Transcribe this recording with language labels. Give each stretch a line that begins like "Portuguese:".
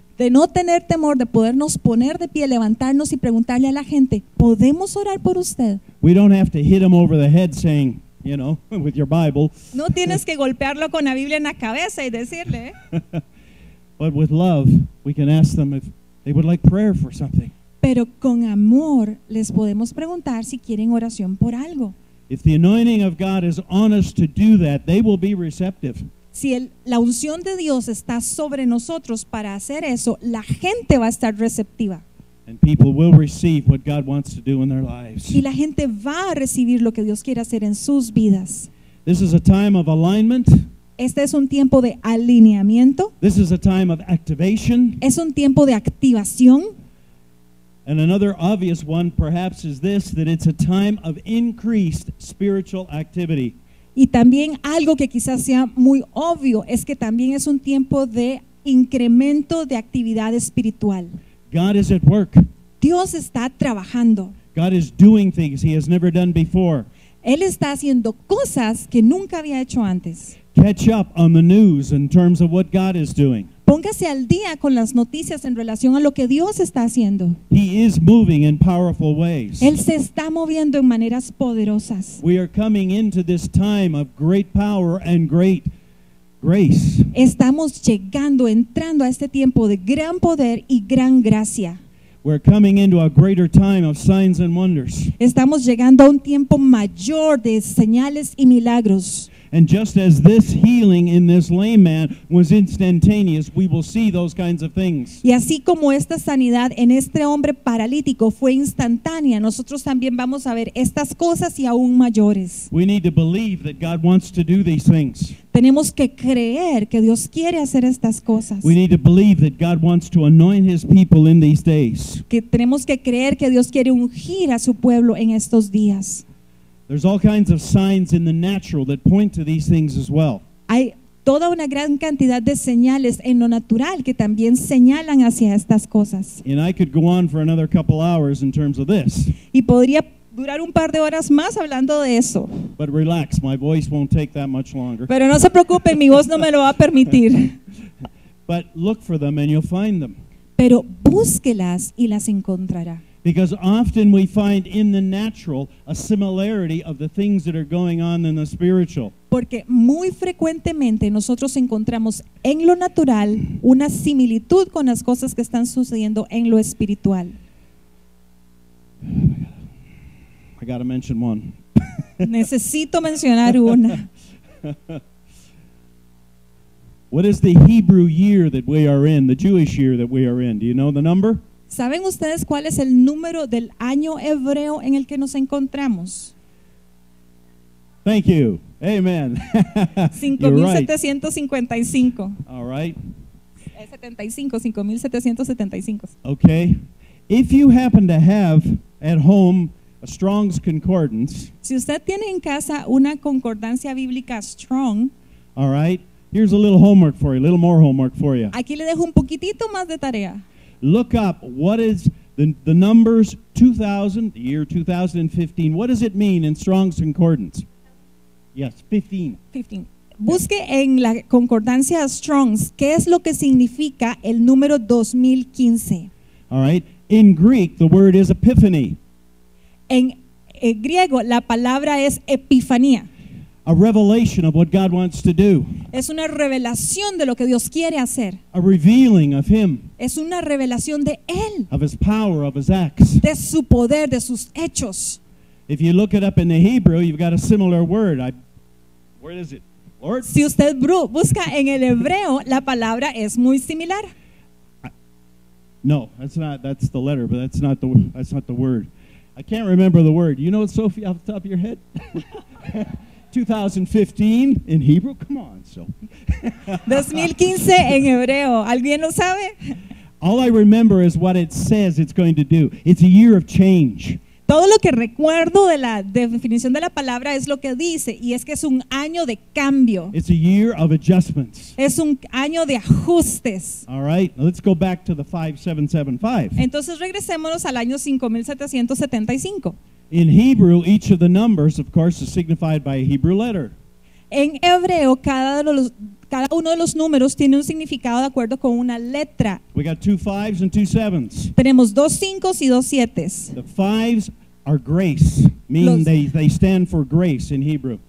Spanish: De no tener temor de podernos poner de pie, levantarnos y preguntarle a la gente, ¿podemos orar por usted?
English: We don't have to hit them over the head saying, you know, with your Bible.
Spanish: No tienes que golpearlo con la Biblia en la cabeza y decirle.
English: But with love, we can ask them if they would like prayer for something.
Spanish: Pero con amor les podemos preguntar si quieren oración por algo.
English: If the anointing of God is on us to do that, they will be receptive.
Spanish: Si la unción de Dios está sobre nosotros para hacer eso, la gente va a estar receptiva.
English: And people will receive what God wants to do in their lives.
Spanish: Y la gente va a recibir lo que Dios quiere hacer en sus vidas.
English: This is a time of alignment.
Spanish: Este es un tiempo de alineamiento.
English: This is a time of activation.
Spanish: Es un tiempo de activación.
English: And another obvious one perhaps is this, that it's a time of increased spiritual activity.
Spanish: Y también algo que quizás sea muy obvio es que también es un tiempo de incremento de actividad espiritual.
English: God is at work.
Spanish: Dios está trabajando.
English: God is doing things he has never done before.
Spanish: Él está haciendo cosas que nunca había hecho antes.
English: Catch up on the news in terms of what God is doing.
Spanish: Póngase al día con las noticias en relación a lo que Dios está haciendo.
English: He is moving in powerful ways.
Spanish: Él se está moviendo en maneras poderosas.
English: We are coming into this time of great power and great grace.
Spanish: Estamos llegando, entrando a este tiempo de gran poder y gran gracia.
English: We're coming into a greater time of signs and wonders.
Spanish: Estamos llegando a un tiempo mayor de señales y milagros.
English: And just as this healing in this lame man was instantaneous, we will see those kinds of things.
Spanish: Y así como esta sanidad en este hombre paralítico fue instantánea, nosotros también vamos a ver estas cosas y aún mayores.
English: We need to believe that God wants to do these things.
Spanish: Tenemos que creer que Dios quiere hacer estas cosas.
English: We need to believe that God wants to anoint his people in these days.
Spanish: Que tenemos que creer que Dios quiere ungir a su pueblo en estos días.
English: There's all kinds of signs in the natural that point to these things as well.
Spanish: Hay toda una gran cantidad de señales en lo natural que también señalan hacia estas cosas.
English: And I could go on for another couple hours in terms of this.
Spanish: Y podría durar un par de horas más hablando de eso.
English: But relax, my voice won't take that much longer.
Spanish: Pero no se preocupe, mi voz no me lo va a permitir.
English: But look for them and you'll find them.
Spanish: Pero búsquelas y las encontrará.
English: Because often we find in the natural a similarity of the things that are going on in the spiritual.
Spanish: Porque muy frecuentemente nosotros encontramos en lo natural una similitud con las cosas que están sucediendo en lo espiritual.
English: I gotta mention one.
Spanish: Necesito mencionar una.
English: What is the Hebrew year that we are in, the Jewish year that we are in? Do you know the number?
Spanish: ¿Saben ustedes cuál es el número del año hebreo en el que nos encontramos?
English: Thank you. Amen. 5,755. Right. All right. 5,775. Okay. If you happen to have at home a Strong's Concordance.
Spanish: Si usted tiene en casa una concordancia bíblica Strong.
English: All right. Here's a little homework for you, a little more homework for you.
Spanish: Aquí le dejo un poquitito más de tarea.
English: Look up what is the numbers 2000, the year 2015. What does it mean in Strong's Concordance? Yes, 15. 15.
Spanish: Busque en la concordancia Strong's, ¿qué es lo que significa el número 2015?
English: All right. In Greek, the word is epiphany.
Spanish: En griego, la palabra es epifanía.
English: A revelation of what God wants to do.
Spanish: Es una revelación de lo que Dios quiere hacer.
English: A revealing of Him.
Spanish: Es una revelación de Él.
English: Of His power, of His acts.
Spanish: De su poder, de sus hechos.
English: If you look it up in the Hebrew, you've got a similar word. Where is it? Lord?
Spanish: Si usted busca en el hebreo, la palabra es muy similar.
English: No, that's the letter, but that's not the word. I can't remember the word. You know it, Sophie, off the top of your head? 2015 in Hebrew? Come on, so.
Spanish: 2015 en hebreo. ¿Alguien lo sabe?
English: All I remember is what it says it's going to do. It's a year of change.
Spanish: Todo lo que recuerdo de la definición de la palabra es lo que dice, y es que es un año de cambio.
English: It's a year of adjustments.
Spanish: Es un año de ajustes.
English: All right, let's go back to the 5775.
Spanish: Entonces regresémonos al año 5775.
English: In Hebrew, each of the numbers, of course, is signified by a Hebrew letter.
Spanish: En hebreo, cada uno de los números tiene un significado de acuerdo con una letra.
English: We got two fives and two sevens.
Spanish: Tenemos dos cinco y dos siete.
English: The fives are grace, meaning they stand for grace in Hebrew.